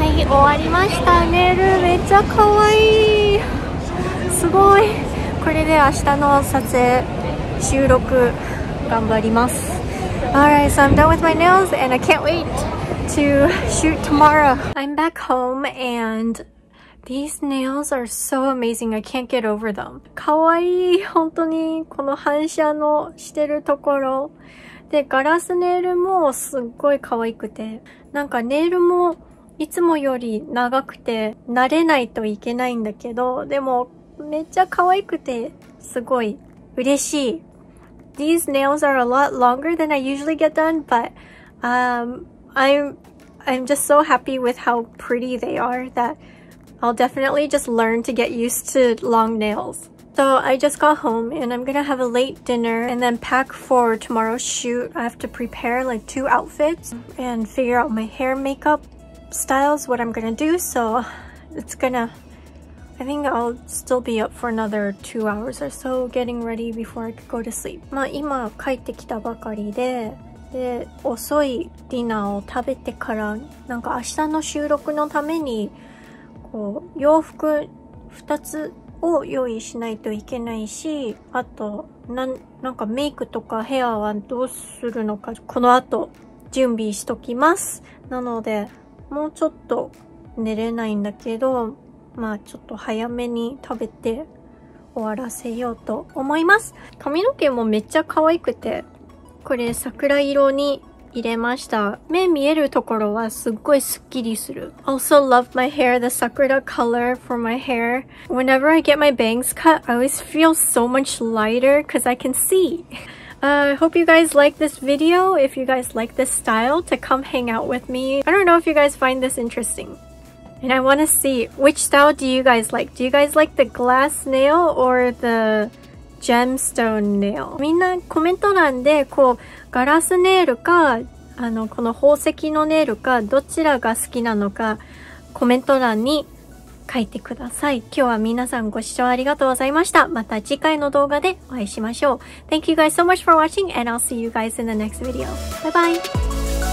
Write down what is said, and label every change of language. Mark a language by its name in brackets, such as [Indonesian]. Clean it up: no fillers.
[Japanese] 終わりましたね。ルーめっちゃかわいい、すごい。これで明日の撮影収録頑張ります。 [English] Alright, so I'm done with my nails and I can't wait to shoot tomorrow. I'm back home and these nails are so amazing. I can't get over them. [Japanese] かわいい、本当にこの反射のしてるところで、ガラスネイルもすっごい可愛くて、なんかネイルもいつもより長くて慣れないといけないんだけど、でもめっちゃ可愛くてすごい嬉しい。 [English] These nails are a lot longer than I usually get done, but I'm just so happy with how pretty they are that I'll definitely just learn to get used to long nails. So I just got home and I'm gonna have a late dinner and then pack for tomorrow's shoot. I have to prepare like 2 outfits and figure out my hair, makeup styles, what I'm gonna do. So it's gonna, I think I'll still be up for another 2 hours or so getting ready before I could go to sleep. [Japanese] まあ今帰ってきたばかりで、で遅いディナーを食べてから、なんか明日の収録のためにこう洋服2つを用意しないといけないし、あとなんかメイクとかヘアはどうするのかこの後準備しときます。なのでもうちょっと寝れないんだけど、まあちょっと早めに食べて終わらせようと思います。髪の毛もめっちゃ可愛くて、これ桜色に入れました。目見えるところはすっごいスッキリする。 [English] Also love my hair, the sakura color for my hair. Whenever I get my bangs cut, I always feel so much lighter because I can see. I hope you guys like this video. If you guys like this style, to come hang out with me. I don't know if you guys find this interesting. And I want to see, which style do you guys like? Do you guys like the glass nail or the gemstone nail? [Japanese] みんなコメント欄でこうガラスネイルか、あの、この宝石のネイルか、どちらが好きなのか、コメント欄に書いてください。今日は皆さんご視聴ありがとうございました。また次回の動画でお会いしましょう。 [English] Thank you guys so much for watching, and I'll see you guys in the next video. Bye bye!